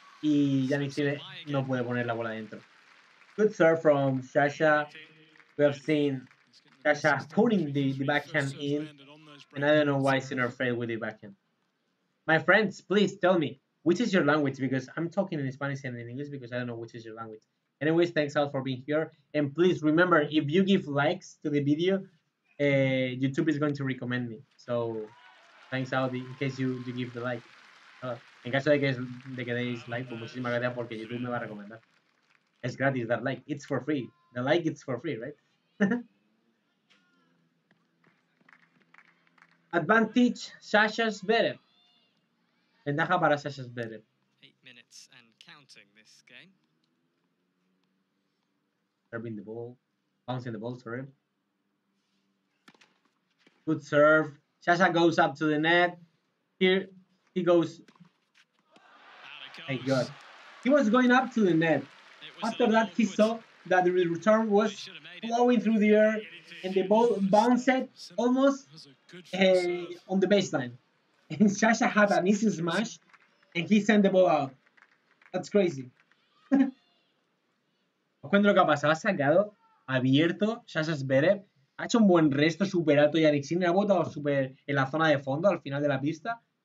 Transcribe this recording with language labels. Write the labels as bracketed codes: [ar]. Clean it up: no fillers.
[es] Y Jannik Sinner no puede poner la bola dentro. [en] Good serve from Sasha. We have seen... Sasha putting the backhand in, and I don't know why Sinner failed with the backhand. My friends, please tell me, which is your language? Because I'm talking in Spanish and in English, because I don't know which is your language. Anyways, thanks all for being here. And please remember, if you give likes to the video, YouTube is going to recommend me. So, thanks all in case you give the like. [es] En caso de que deis like, pues muchísimas gracias porque YouTube me va a recomendar. Es gratis dar like. [en] It's for free. The like, it's for free, right? Advantage [es] Sasha Zverev. Ventaja para Sasha Zverev. [en] 8 minutes and counting this game. Serving the ball. Bouncing the ball, sorry. Good serve. Sasha goes up to the net. Here, He goes. Thank God. He was going up to the net. After that, he saw that the return was flowing through the air and the ball bounced almost on the baseline. And Sasha had an easy smash and he sent the ball out. That's crazy. [es] Os cuento lo que ha pasado. Ha sacado abierto Sasha Zverev. Ha hecho un buen resto, super alto. Y Jannik ha botado super en la zona de fondo, al final de la pista.